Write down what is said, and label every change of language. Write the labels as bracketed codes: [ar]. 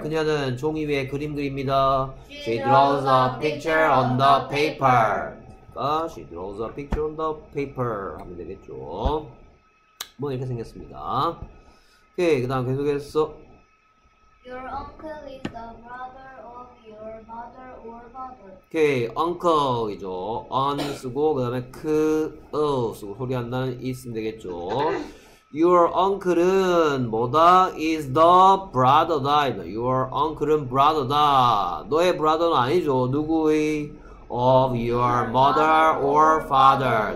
[ko] 그녀는 종이 위에 그림 그립니다. [en] She draws a picture on the paper. 아, she draws a picture on the paper. [ko] 하면 되겠죠. 뭐 이렇게 생겼습니다. 오케이. 그 다음 계속해서. [en] Your uncle is the brother of your mother or father. [ko] 오케이, okay, uncle이죠. on 쓰고 그다음에 크, 어 쓰고 소리 한다는 이 쓰면 되겠죠. [en] Your uncle은 뭐다? Is the brother다. [ko] Your uncle은 brother다. 너의 brother는 아니죠. 누구의? [en] Of your mother or father.